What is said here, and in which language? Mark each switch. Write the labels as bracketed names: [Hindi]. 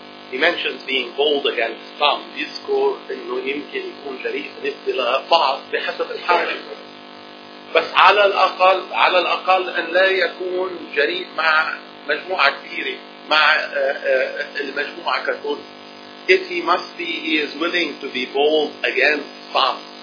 [English] He mentions being bold against some. [Arabic] يذكر إنه يمكن يكون جريء بالنسبة لبعض بحسب الحالة. بس على الأقل، على الأقل أن لا يكون جريء مع مجموعة كبيرة، مع المجموعة ككل. [English] If he must be, he is willing to be bold against some.